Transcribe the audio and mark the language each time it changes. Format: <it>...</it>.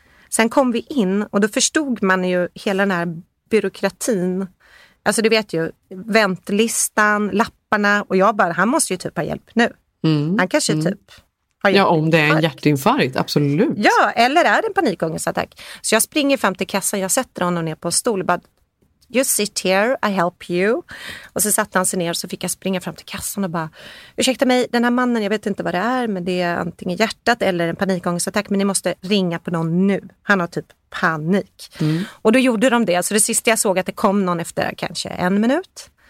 <sv>Sen kom vi in och då förstod man ju hela den här byråkratin. Alltså du vet ju, väntlistan, lapparna. Och jag bara, han måste ju typ ha hjälp nu. Mm, han kanske typ har hjälp. Ja, om det är en hjärtinfarkt, absolut. Ja, eller är det en panikångestattack. Så jag springer fram till kassan, jag sätter honom ner på stol. Och bara,</sv> <en>you sit here, I help you.</en> <sv>Och så satte han sig ner och så fick jag springa fram till kassan och bara, ursäkta mig, den här mannen, jag vet inte vad det är, men det är antingen hjärtat eller en panikångestattack, men ni måste ringa på någon nu. Han har typ panik. Mm. Och då gjorde de det. Så det sista jag såg att det kom någon efter kanske en minut.</sv>